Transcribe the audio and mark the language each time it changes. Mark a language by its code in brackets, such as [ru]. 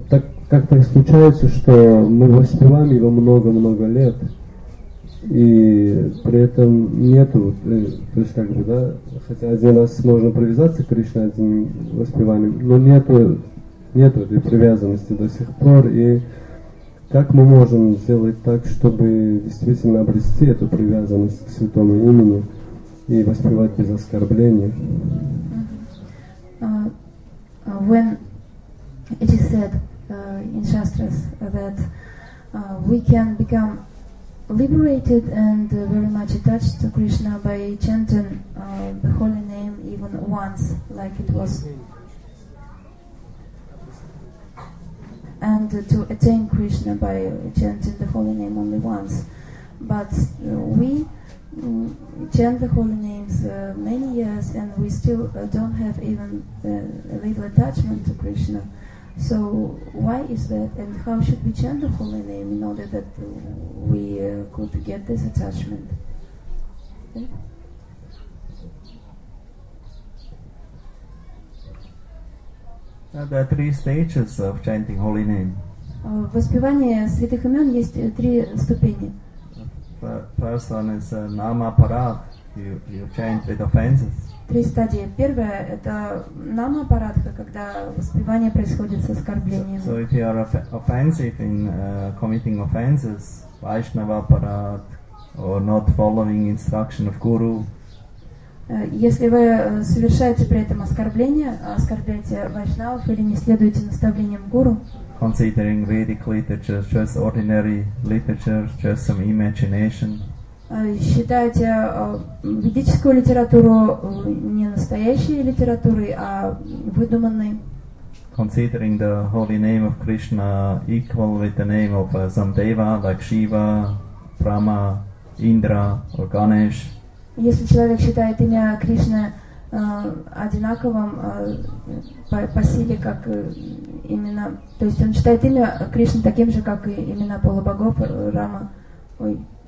[ru] Так как-то случается, что мы воспеваем его много-много лет, и при этом нету, то есть как бы, да, хотя один раз можно привязаться к Кришне одним воспеванием, но нету этой привязанности до сих пор, и как мы можем сделать так, чтобы действительно обрести эту привязанность к святому имени и воспевать без оскорблений? [en] When it is said in Shastras that we can become liberated and very much attached to Krishna by chanting the holy name even once, like it was, and to attain Krishna by chanting the holy name only once, but we chant the holy names many years and we still don't have even a little attachment to Krishna. So why is that, and how should we chant the holy name in order that we could get this attachment? Okay. There are three stages of chanting holy name. [ru] Воспевание святых имен есть три ступени. [en] First one is nama parad. You chant with offenses. [ru] Три стадии. Первая – это нама-парадха, когда воспевание происходит с оскорблением. [en] So if you are offensive in committing offenses, Vaishnava-парад, or not following instruction of guru. [ru] Если вы совершаете при этом оскорбление, оскорбляете вайшнавов или не следуете наставлениям гуру, [en] considering Vedic literature, just ordinary literature, just some imagination, [ru] считаете ведическую литературу не настоящей литературой, а выдуманной. [en] Considering the holy name of Krishna equal with the name of some deva, like Shiva, Brahma, Indra, or Ganesh. [ru] Если человек считает имя Кришны одинаковым по силе, как имена, то есть он считает имя Кришны таким же, как и имена полубогов, Рама, ой.